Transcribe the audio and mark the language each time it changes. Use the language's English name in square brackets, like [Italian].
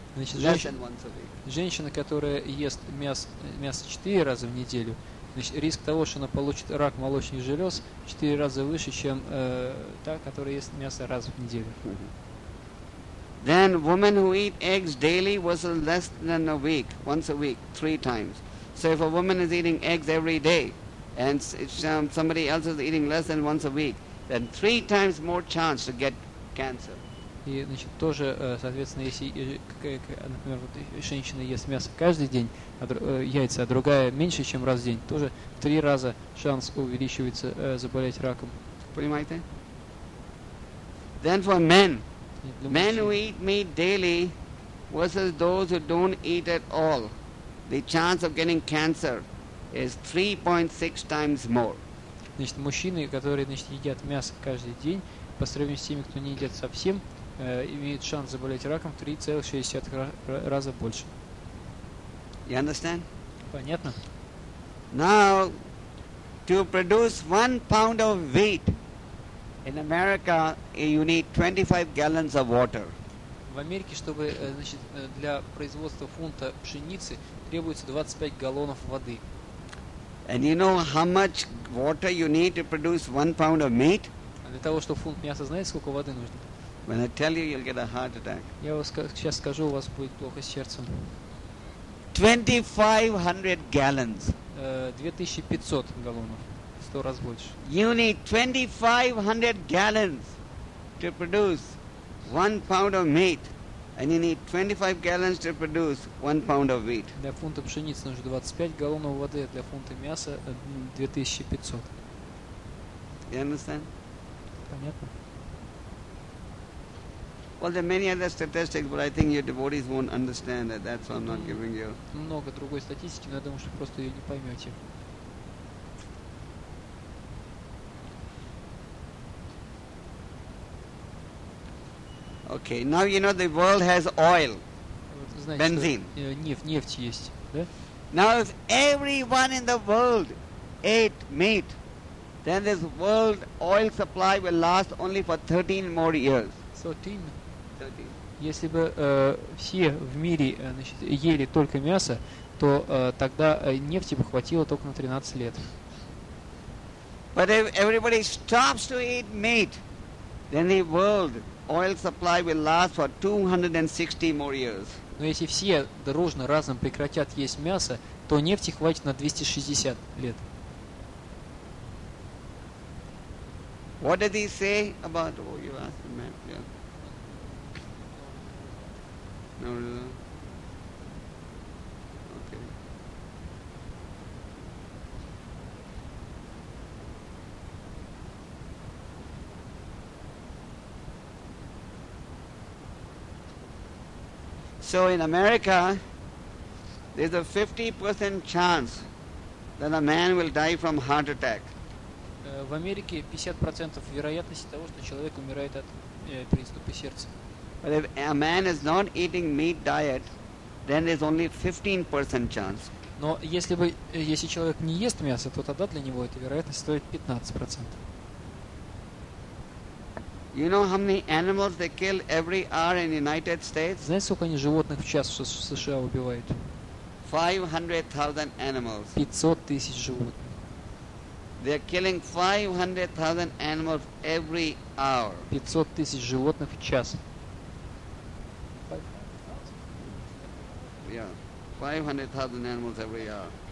[Russian] Значит, [English] less than once a week. [Russian] Женщина, которая ест мясо 4 раза в неделю, Значит, риск того, что она получит рак молочных желез, 4 раза выше, чем та, которая ест мясо раз в неделю. [English] Then women who eat eggs daily was less than a week, once a week, three times. So if a woman is eating eggs every day, and somebody else is eating less than once a week, then three times more chance to get cancer. [Russian] И, значит, тоже, соответственно, если, например, вот женщина ест мясо каждый день, а яйца, а другая меньше, чем раз в день, тоже в три раза шанс увеличивается заболеть раком. Понимаете? [English] Then for men. Men who eat meat daily versus those who don't eat at all, the chance of getting cancer is 3.6 times more. [Russian] Значит, мужчины, которые, значит, едят мясо каждый день, по сравнению с теми, кто не едят совсем, имеют шанс заболеть раком в 3,6 раза больше. [English] You understand? [Russian] Понятно. [English] Now, to produce 1 pound of wheat in America, you need 25 gallons of water. [Russian] В Америке, чтобы, значит, для производства фунта пшеницы, требуется 25 галлонов воды. [English] And you know how much water you need to produce 1 pound of meat? [Russian] А для того, чтобы фунт мяса, знаете, сколько воды нужно? [English] When I tell you, you'll get a heart attack. [Russian] Я вам сейчас скажу, у вас будет плохо с сердцем. [English] 2500 gallons. [Russian] 2500 галлонов. Раз больше. [English] You need 2500 gallons to produce 1 pound of meat, and you need 25 gallons to produce 1 pound of wheat. [Russian] Для фунта пшеницы нужно 25 галлонов воды, для фунта мяса 2500. [English] You understand? [Russian] Понятно. [English] Well, there are many other statistics, but I think your devotees won't understand that. That's why I'm not giving you. [Russian] Много другой статистики, но я думаю, что просто ее не поймете. [English] Okay, now you know the world has oil, [Russian] знаете, [English] benzene. [Russian] Нефть есть, да? [English] Now if everyone in the world ate meat, then this world oil supply will last only for 13 more years. 13. [Russian] Если бы все в мире, значит, ели только мясо, то тогда нефти бы хватило только на 13 лет. [English] But if everybody stops to eat meat, then the world oil supply will last for 260 more years. [Russian] Но если все дружно разом прекратят есть мясо, то нефти хватит на 260 лет. [English] What did he say about? Oh, you asked the man. Yeah. No reason. So in America, there's a 50% chance that a man will die from heart attack. [Russian] В Америке 50% вероятность того, что человек умирает от приступа сердца. [English] But if a man is not eating meat diet, then there's only 15% chance. [Russian] Но если человек не ест мясо, то тогда для него эта вероятность стоит 15%. [English] You know how many animals they kill every hour in the United States? [Russian] Знаете, сколько они животных в час в США убивают? [English] 500,000 animals. [Russian] 500,000 животных. [English] They are killing 500,000 animals every hour. [Russian] 500,000 животных в час. [English] Yeah, 500,000 animals every hour.